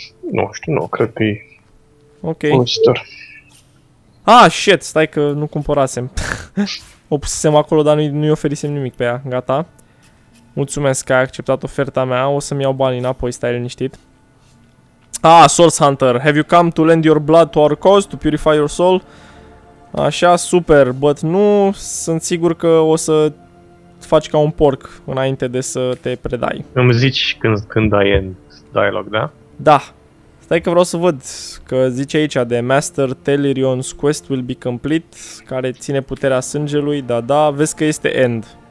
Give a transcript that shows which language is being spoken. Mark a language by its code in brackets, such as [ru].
[ro] Nu știu, nu, cred că e... [en] Ok. Monster. [ro] Ah, shit, stai că nu cumpărasem. O pusesem acolo, dar nu-i oferisem nimic pe ea, gata. Mulțumesc că ai acceptat oferta mea, o să-mi iau banii înapoi, stai liniștit. [en] Ah, Source Hunter, have you come to lend your blood to our cause, to purify your soul? [ro] Așa, super, but nu, sunt sigur că o să faci ca un porc înainte de să te predai. Îmi zici când ai în dialog, da? Da. Stai că vreau să văd că zice aici de [en] Master Telerion's quest will be complete, [ro] care ține puterea sângelui, da, vezi că este end.